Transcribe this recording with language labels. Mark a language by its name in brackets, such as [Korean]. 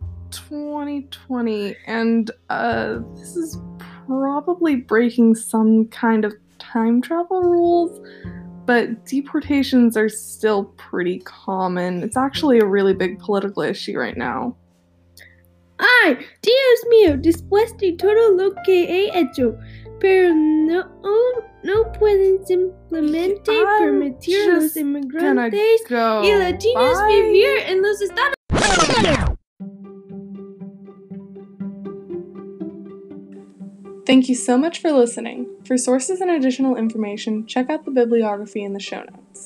[English] 2020, and this is probably breaking some kind of time travel rules, but deportations are still pretty common. It's actually a really big political issue right now. [Spanish] Ay, Dios mío, después de todo lo que he hecho, pero no pueden simplemente permitir los inmigrantes y latinos vivir en los Estados Unidos. [English] Thank you so much for listening. For sources and additional information, check out the bibliography in the show notes.